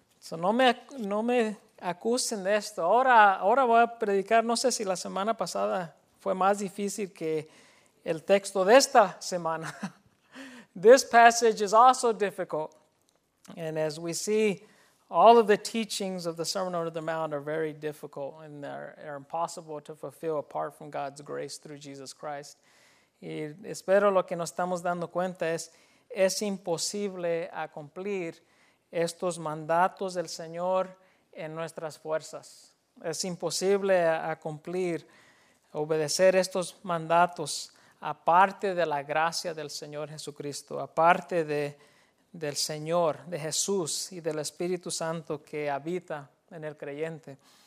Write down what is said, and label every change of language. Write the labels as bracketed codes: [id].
[es] No me acusen de esto. Ahora voy a predicar. No sé si la semana pasada fue más difícil que el texto de esta semana. [en] This passage is also difficult. And as we see, all of the teachings of the Sermon on the Mount are very difficult and are impossible to fulfill apart from God's grace through Jesus Christ. [es] Y espero lo que nos estamos dando cuenta es imposible cumplir estos mandatos del Señor en nuestras fuerzas. Es imposible cumplir, obedecer estos mandatos aparte de la gracia del Señor Jesucristo, aparte del Señor, de Jesús y del Espíritu Santo que habita en el creyente.